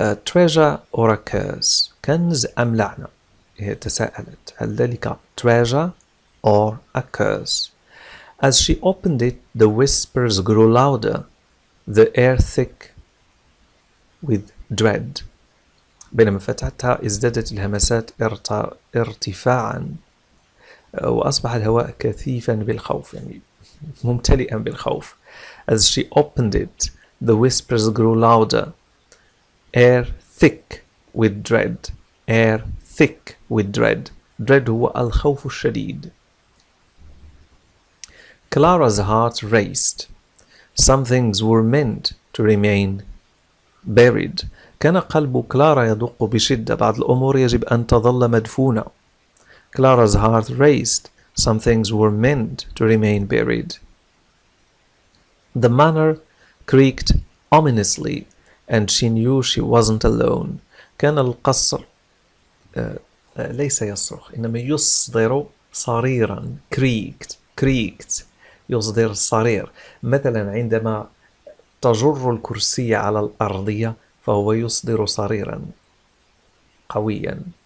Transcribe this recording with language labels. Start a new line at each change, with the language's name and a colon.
English: Treasure or a curse،
Arabic: كنز أم لعنة؟ هي تساءلت، هل ذلك
English: treasure or a curse؟ As she opened it, the whispers grew louder, the air thick with dread.
Arabic: بينما فتحتها ازدادت الهمسات ارتفاعا وأصبح الهواء كثيفا بالخوف، يعني ممتلئا بالخوف.
English: As she opened it, the whispers grew louder, air thick with dread. Air thick with dread. Dread
Arabic: هو الخوف الشديد.
English: Clara's heart raced. Some things were meant to remain buried.
Arabic: كان قلب كلارا يدق بشدة. بعض الأمور يجب أن تظل مدفونة.
English: Clara's heart raced. Some things were meant to remain buried. The manor creaked ominously, and she knew she wasn't alone.
Arabic: كان القصر ليس يصرخ، إنما يصدر صريرا.
English: Creaked, creaked.
Arabic: يصدر صرير. مثلا عندما تجر الكرسي على الأرضية فهو يصدر صريرا قويا.